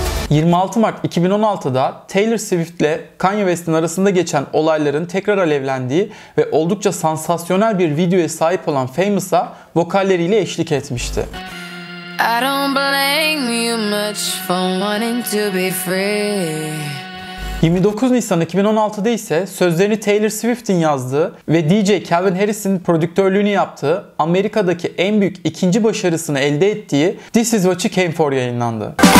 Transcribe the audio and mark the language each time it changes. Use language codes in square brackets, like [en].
[tr] ...26 Mart 2016'da Taylor Swift'le Kanye West'in arasında geçen olayların tekrar alevlendiği ve oldukça sansasyonel bir videoya sahip olan Famous'a vokalleriyle eşlik etmişti. [en] I don't blame you much for wanting to be free. [tr] 29 Nisan 2016'da ise sözlerini Taylor Swift'in yazdığı ve DJ Calvin Harris'in prodüktörlüğünü yaptığı, Amerika'daki en büyük ikinci başarısını elde ettiği This Is What You Came For yayınlandı.